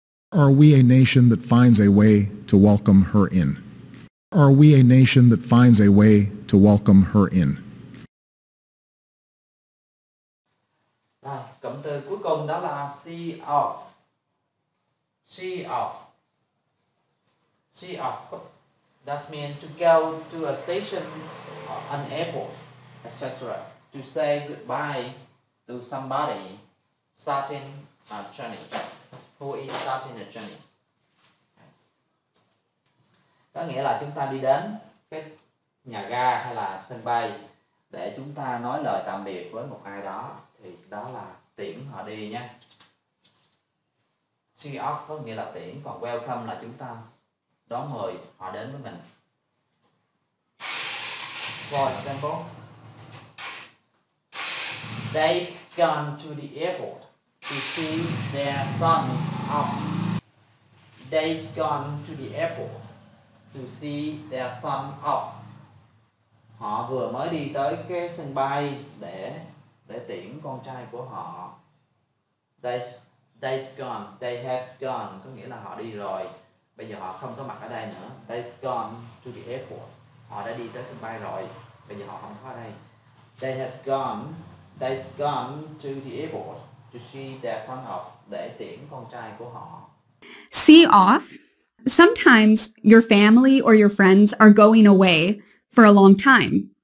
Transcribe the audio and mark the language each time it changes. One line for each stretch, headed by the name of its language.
English: Are we a nation that finds a way to welcome her in? Are we a nation that finds a way to welcome her in?
Vietnamese: Cụm từ cuối cùng đó là see off. See off. See off.
English: That means to go to a station, an airport, etc. To say goodbye to somebody starting a journey. Who is starting a journey?
Vietnamese: Có nghĩa là chúng ta đi đến cái nhà ga hay là sân bay để chúng ta nói lời tạm biệt với một ai đó, thì đó là tiễn họ đi nha. See off có nghĩa là tiễn, còn welcome là chúng ta đón mời họ đến với mình.
English: For example, they've gone to the airport to see their son off. They've gone to the airport to see their son off.
Vietnamese: Họ vừa mới đi tới cái sân bay để tiễn con trai của họ. They've gone có nghĩa là họ đi rồi. Bây giờ họ không có mặt ở đây nữa.
English: They've gone to the airport.
Vietnamese: Họ đã đi tới sân bay rồi. Bây giờ họ không có ở đây.
English: They've gone to the airport to see their son off,
Vietnamese: để tiễn con trai của họ.
English: See off. Sometimes your family or your friends are going away for a long time.